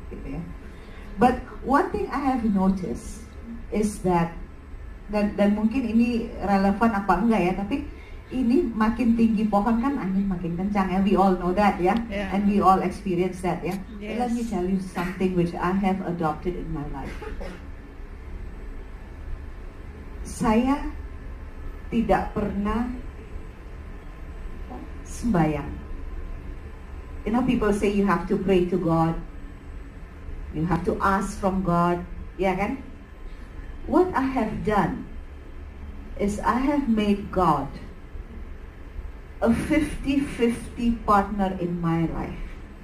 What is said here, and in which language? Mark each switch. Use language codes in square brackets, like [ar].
[id] Gitu ya. [en] But one thing I have noticed is that, [id] dan mungkin ini relevan apa enggak ya, tapi ini makin tinggi pohon kan angin makin kencang ya. [en] We all know that [id] ya. Yeah? Yeah. [en] And we all experience that ya. Yeah? Yes. Let me tell you something which I have adopted in my life. [id] Saya tidak pernah sembahyang. [en] You know, people say you have to pray to God. You have to ask from God. Yeah, kan? What I have done is I have made God a 50-50 partner in my life.